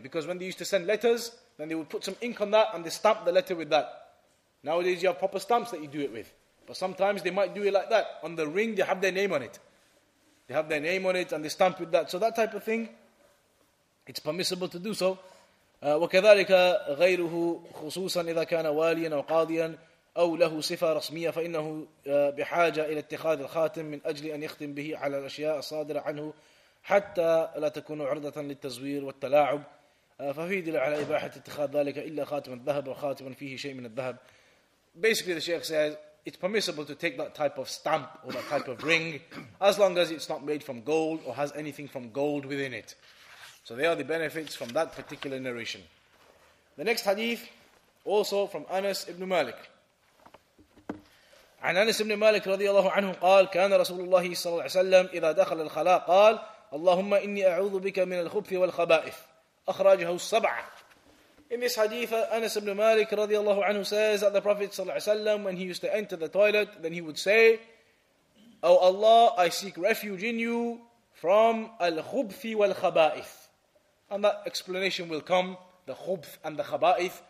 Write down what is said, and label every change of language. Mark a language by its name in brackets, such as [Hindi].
[English] Because when they used to send letters, then they would put some ink on that and they stamp the letter with that. Nowadays you have proper stamps that you do it with. But sometimes they might do it like that. On the ring, they have their name on it. They have their name on it and they stamp with that. So that type of thing, it's permissible to do so. [Arabic] وَكَذَلِكَ غَيْرُهُ خُصُوصًا إِذَا كَانَ وَالِيًا أَوْ قَاضِيًا أَوْ لَهُ صِفَةً رَسْمِيَةً فَإِنَّهُ بِحَاجَةٍ إِلَى اتِّخَاذِ الْخَاتِمِ مِنْ أَجْلِ أَنْ يَخْتِمْ بِهِ عَلَى الْأَشْيَاءِ الصَّادِرَةِ عَنْهُ حتى لا تكون عرضة للتزوير والتلاعب ففي دليل على إباحة اتخاذ ذلك إلا خاتم الذهب وخاتم فيه شيء من الذهب. [English] Basically the Sheikh says it's permissible to take that type of stamp or that type of ring as long as it's not made from gold or has anything from gold within it. So they are the benefits from that particular narration. The next hadith also from Anas ibn Malik. [Arabic] عن أنس بن مالك رضي الله عنه قال كان رسول الله صلى الله عليه وسلم إذا دخل الخلاء قال اللهم إني أعوذ بك من الخبث والخبائث أخرجه السبعة. [English] In this hadith, Anas ibn Malik radiallahu anhu says that the Prophet ﷺ, when he used to enter the toilet, then he would say, O Allah, I seek refuge in you from al-khubth wal-khabaith. And that explanation will come, the khubth and the khabaith.